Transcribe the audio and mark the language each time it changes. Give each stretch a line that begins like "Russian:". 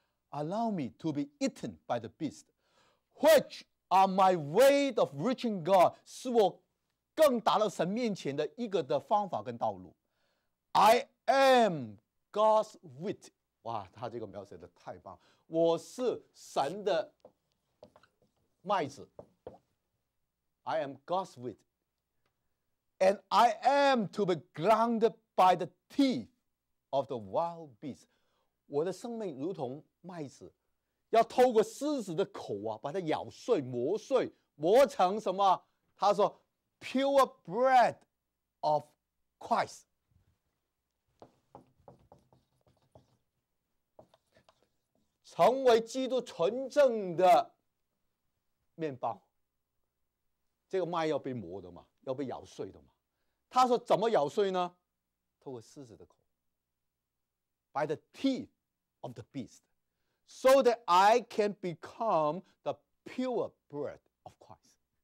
English: Allow me to be eaten by the beast， Which are my way of reaching God，
Chinese: 是我更达到神面前的一个的方法跟道路。
English: I am God's wit，
Chinese: 哇，他这个描写的太棒，我是神的麦子。
English: I am God's wit， And I am to be grounded by the teeth of the wild beast，
Chinese: 我的生命如同麦子要透过狮子的口啊，把它咬碎磨碎磨成什么，他说
English: Pure bread of Christ。
Chinese: 成为基督纯正的面包，这个麦要被磨的嘛，要被咬碎的嘛。他说怎么咬碎呢？透过狮子的口，
English: By the teeth of the beast， So that I can become the pure bread of Christ。